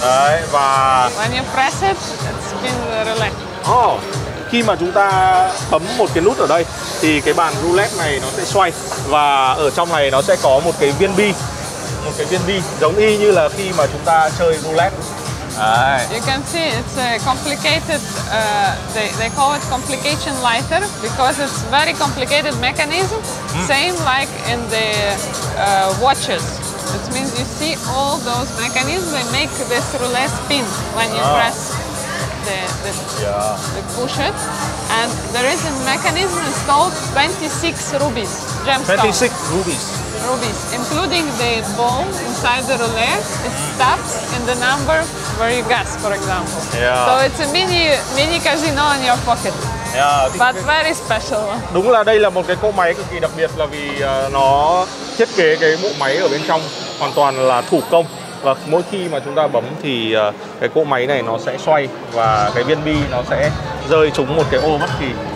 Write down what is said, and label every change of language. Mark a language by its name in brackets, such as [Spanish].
[Vietnamese] Đấy, và... [English] When you press it, it's spinning roulette. [Vietnamese] Oh, khi mà chúng ta bấm một cái nút ở đây thì cái bàn roulette này nó sẽ xoay. Và ở trong này nó sẽ có một cái viên bi. Một cái viên bi giống y như là khi mà chúng ta chơi roulette. [English] You can see it's a complicated, they call it complication lighter because it's very complicated mechanism, same like in the watches. It means you see all those mechanisms, they make this roulette spin when you press the push it. And there is a mechanism installed 26 rubies, gemstones. 26 rubies. Rubies, including the ball inside the roulette, it stops in the number where you guess, for example. Yeah. So it's a mini casino in your pocket. Yeah. But very special. [Vietnamese] Đúng là đây là một cái cỗ máy cực kỳ đặc biệt là vì nó thiết kế cái bộ máy ở bên trong hoàn toàn là thủ công. Và mỗi khi mà chúng ta bấm thì cái cỗ máy này nó sẽ xoay và cái viên bi nó sẽ rơi trúng một cái ô bất kỳ.